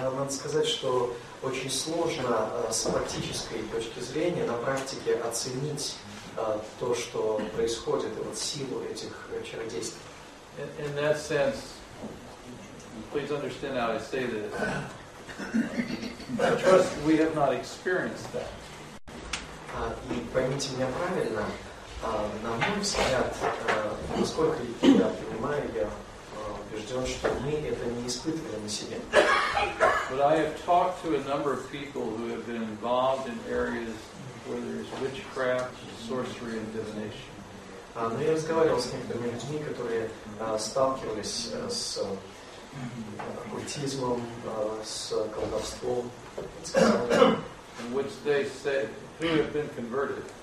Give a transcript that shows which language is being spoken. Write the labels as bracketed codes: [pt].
[ru] Сказать, что очень сложно с практической точки зрения на практике оценить то, что происходит, и вот силу этих чародейств. [en] In that sense, please understand how I say this. Trust, we have not experienced that. [ru] И поймите меня правильно, на мой взгляд, насколько я понимаю, я убежден, что мы это не испытывали на себе. [en] But I have talked to a number of people who have been involved in areas where there is witchcraft, sorcery, and divination. [ru] Но я разговаривал с некоторыми людьми, которые сталкивались с оккультизмом, с колдовством. [en] In which they say, who have been converted.